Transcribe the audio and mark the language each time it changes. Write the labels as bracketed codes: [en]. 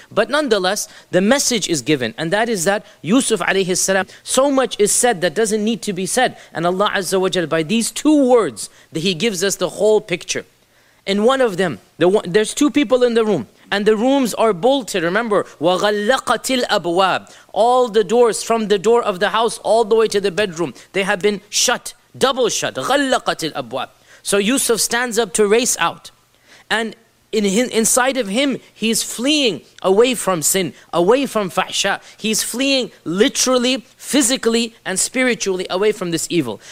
[en] But nonetheless, the message is given, and that is that Yusuf alayhi salam, so much is said that doesn't need to be said. And Allah Azza wa Jal, by these two words, that He gives us the whole picture. In one of them, there's two people in the room, and the rooms are bolted. Remember, [ar] وَغَلَّقَتِ الْأَبْوَابِ. [en] All the doors, from the door of the house all the way to the bedroom, they have been shut, double shut. [ar] غَلَّقَتِ الْأَبْوَابِ. [en] So Yusuf stands up to race out. And inside of him, he's fleeing away from sin, away from fahsha. He's fleeing literally, physically, and spiritually away from this evil.